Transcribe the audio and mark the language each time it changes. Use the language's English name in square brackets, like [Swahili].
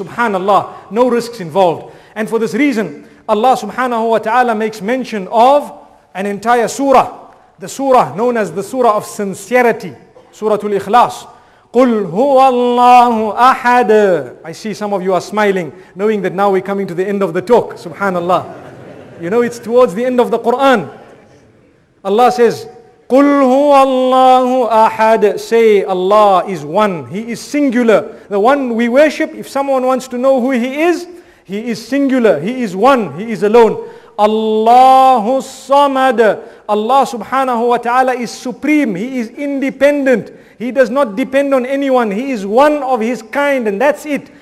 [English] Subhanallah, no risks involved. And for this reason, Allah subhanahu wa ta'ala makes mention of an entire surah, the surah known as the surah of sincerity, Suratul Ikhlas. [Arabic] قُلْ هُوَ اللَّهُ أَحَدٌ. [English] I see some of you are smiling, knowing that now we're coming to the end of the talk. Subhanallah. You know, it's towards the end of the Quran. Allah says, [Arabic] قُلْ هُوَ اللَّهُ أَحَدٌ. [English] Say, Allah is one. He is singular. The one we worship, if someone wants to know who he is singular. He is one. He is alone. Allahu Samad. Allah subhanahu wa ta'ala is supreme. He is independent. He does not depend on anyone. He is one of his kind and that's it.